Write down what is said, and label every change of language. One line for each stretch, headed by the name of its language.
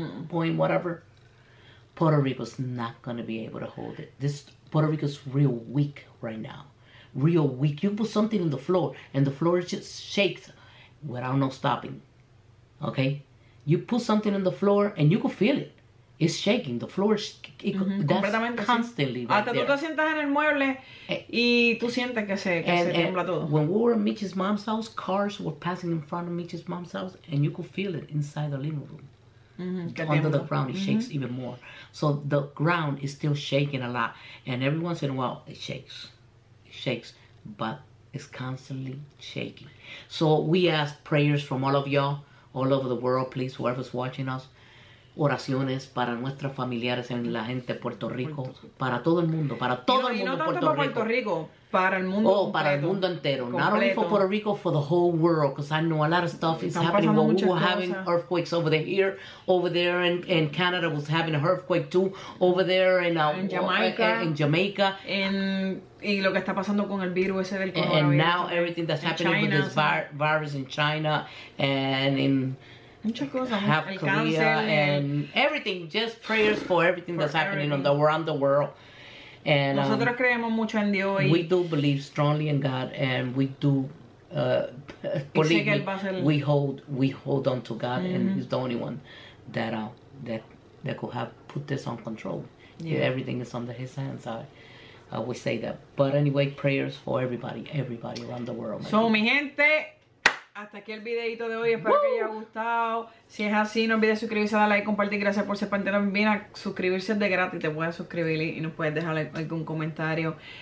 English: point whatever, Puerto Rico's not gonna be able to hold it. This Puerto Rico's real weak right now, real weak. You put something on the floor and the floor just shakes without no stopping. Okay, you put something on the floor and you can feel it. It's shaking. The floor is
Spanish: completamente
English: constantly.
Spanish: Hasta
English: right
Spanish: tú Te sientas en el mueble y tú sientes que se tiembla todo.
English: When we were in Mitch's mom's house, cars were passing in front of Mitch's mom's house and you could feel it inside the living room. Mm-hmm. Under the ground, it shakes even more. So the ground is still shaking a lot. And every once in a while, it shakes. It shakes, but it's constantly shaking. So we ask prayers from all of y'all, all over the world, please, whoever's watching us.
Spanish: Oraciones para nuestros familiares en la gente de Puerto Rico. Para todo el mundo. Para todo y no, el mundo y no Puerto para Puerto Rico. Para el mundo
English: oh,
Spanish: completo, para el mundo entero. Completo.
English: Not only for Puerto Rico, for the whole world. Because I know a lot of stuff is happening. Well, we were having earthquakes over there, here, over there. And Canada was having an earthquake too. Over there in Jamaica.
Spanish: Y lo que está pasando con el virus ese del coronavirus.
English: And now everything that's happening China, with this virus in China. And in... Half Korea and everything. Just prayers for everything for that's happening everything. On the around the world. And
Spanish: nosotros creemos mucho en Dios.
English: We do believe strongly in God, and we do believe. We hold on to God, and He's the only one that could have put this on control. Yeah. Everything is under His hands. I would say that. But anyway, prayers for everybody around the world.
Spanish: So, mi gente. Hasta aquí el videito de hoy, espero que haya gustado. Si es así, no olvides suscribirse, darle like, compartir. Gracias por ser parte de la bambina. Suscribirse es de gratis, te puedes suscribir y nos puedes dejar algún comentario.